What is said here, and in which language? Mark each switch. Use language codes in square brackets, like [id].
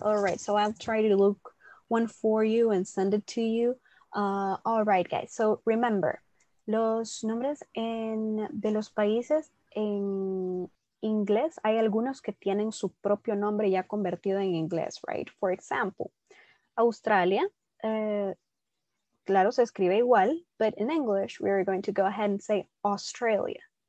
[en] All right, so I'll try to look one for you and send it to you. All right, guys, so remember, [es] los nombres de los países en inglés, hay algunos que tienen su propio nombre ya convertido en inglés, right? [en] For example, Australia, [es] claro, se escribe igual, [en] but in English, we are going to go ahead and say Australia.